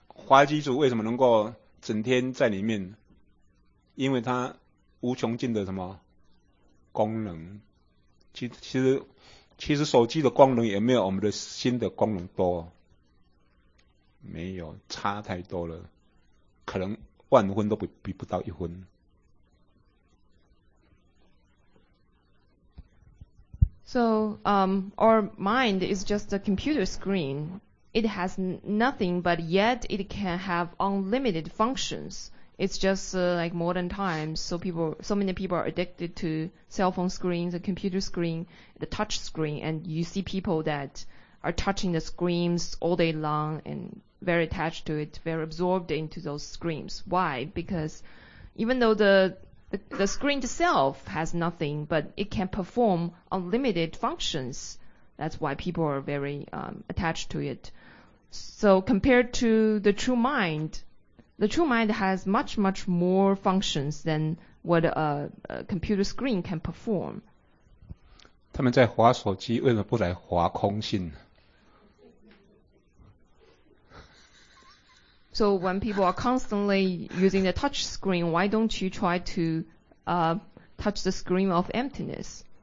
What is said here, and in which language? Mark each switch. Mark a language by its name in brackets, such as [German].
[Chinese] 滑稽族为什么能够整天在里面？因为它无穷尽的什么功能？其实手机的功能也没有我们的心的功能多。没有差太多了，可能万分都比不到一分。 [English] So, our mind is just a computer screen. It has nothing, but yet it can have unlimited functions. It's just like modern times. So many people are addicted to cell phone screens, a computer screen, the touch screen, and you see people that are touching the screens all day long and. Very attached to it, very absorbed into those screens. Why? Because even though the screen itself has nothing, but it can perform unlimited functions. That's why people are very attached to it. So compared to the true mind has much, much more functions than what a computer screen can perform. [Chinese] 他们在滑手机，为什么不来滑空性？ [English] So when people are constantly using the touch screen, why don't you try to touch the screen of emptiness?